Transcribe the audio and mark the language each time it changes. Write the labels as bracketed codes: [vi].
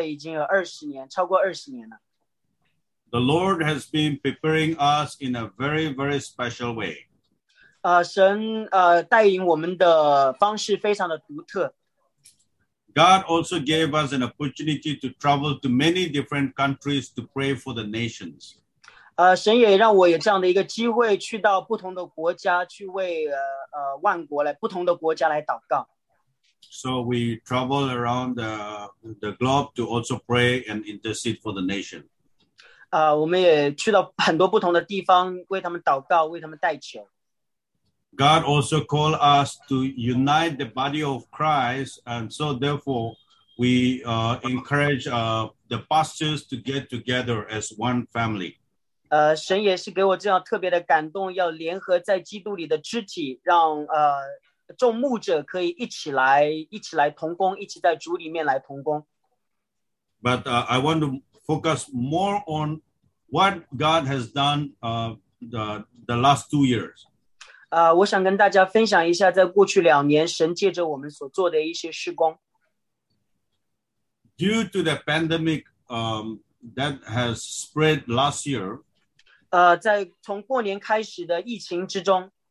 [zh] 我们从开始服事到现在已经有二十年，超过二十年了。 [en] The Lord has been preparing us in a very, very special way. [zh] 神带领我们的方式非常的独特。 [en] God also gave us an opportunity to travel to many different countries to pray for the nations. [zh] 神也让我有这样的一个机会去到不同的国家，去为万国来不同的国家来祷告。 [en] So we travel around the globe to also pray and intercede for the nation. [zh] 我们也去到很多不同的地方，为他们祷告，为他们代求。 [en] God also called us to unite the body of Christ, and so therefore we encourage the pastors to get together as one family. [zh] 神也是给我这样特别的感动，要联合在基督里的肢体，让众牧者可以一起来同工，一起在主里面来同工。 [en] But I want to focus more on what God has done the last 2 years. [zh] 我想跟大家分享一下，在过去两年，神借着我们所做的一些事工。 [en] Due to the pandemic that has spread last year, [zh] 在从过年开始的疫情之中。